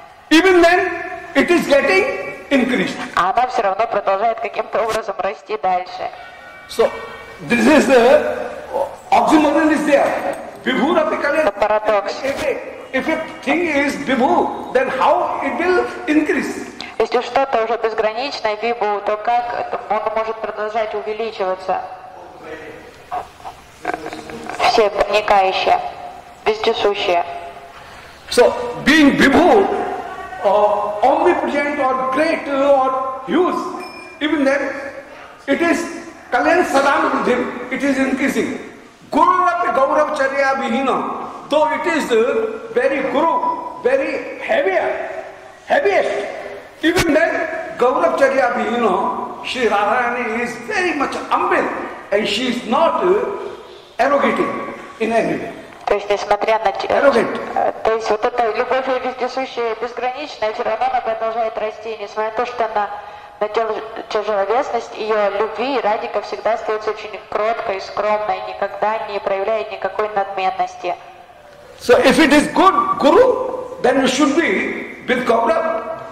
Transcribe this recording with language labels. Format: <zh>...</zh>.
<en>even then it is getting increased.</en> <ru>А она все равно продолжает каким-то образом расти дальше.</ru> <en>So, this is the oxymoron is there. Vibhurapi Kalyan, if a thing is Vibhu, then how it will increase?</en> <ru>Если что-то уже безграничное, Вибу, то как он может продолжать увеличиваться? Все проникающие, вездесущие.</ru> <en>So, being Vibhu, omnipresent or great or huge, even then, it is Kalyan Sadamrudhim, it is increasing. Guru Rapi Gaurav Charya Vihina, though it is very Guru, very heaviest, even then, Gaurav Charya Bhi, you know, Sri Radharani is very much humble and she is not arrogating in any way.</en> <ru>То есть, несмотря на</ru> <en>arrogant.</en> <ru>То есть, вот эта любовь вездесущая, безграничная, все равно она продолжает расти, несмотря на то, что она надела тяжеловесность, ее любви и Радика всегда остается очень кроткой, скромной, никогда не проявляет никакой надменности.</ru> <en>So, if it is good Guru, then you should be with Gaurav.</en>